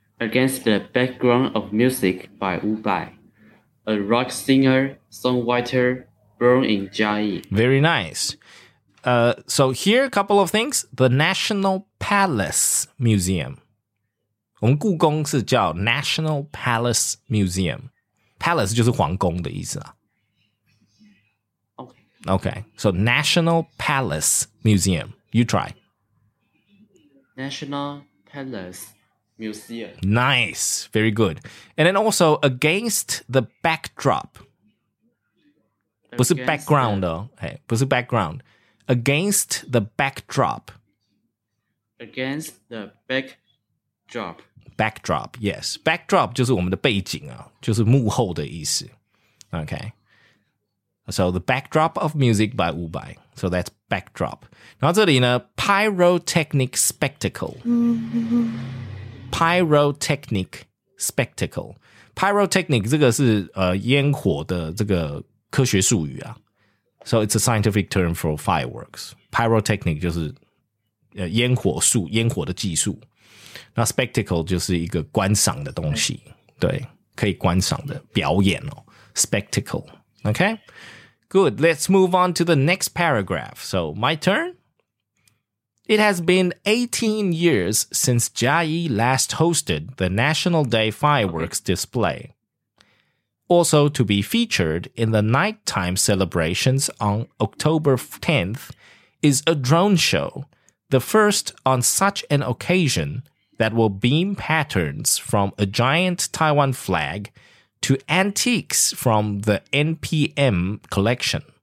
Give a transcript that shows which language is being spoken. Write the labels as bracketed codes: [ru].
[en] against the background of music by Wu Bai, a rock singer songwriter born in Jia'i. Very nice. So here a couple of things. The National Palace Museum. [zh] 我们故宫是叫 National Palace Museum. Palace 就是皇宫的意思啊。 [en] Okay. Okay. So National Palace Museum. You try. National Palace Museum. Nice. Very good. And then also against the backdrop. Against [zh] 不是 [en] background [zh] 哦。 [en] Hey, [zh] 不是 [en] background. Against the backdrop. Against the backdrop. Backdrop, yes. [zh] Backdrop 就是我们的背景啊，就是幕后的意思。 [en] Okay. So the backdrop of music by Wu Bai. So that's backdrop. [zh] 然后这里呢 pyrotechnic spectacle. [en] Pyrotechnic spectacle. [zh] Pyrotechnic 这个是烟火的这个科学术语啊。 [en] So it's a scientific term for fireworks. [zh] Pyrotechnic 就是烟火术，烟火的技术。那 spectacle 就是一个观赏的东西，对，可以观赏的表演哦。 [en] Spectacle, okay? Good, let's move on to the next paragraph. So my turn? It has been 18 years since Jia'i last hosted the National Day Fireworks display. Also to be featured in the nighttime celebrations on October 10th is a drone show, the first on such an occasion that will beam patterns from a giant Taiwan flag to antiques from the NPM collection.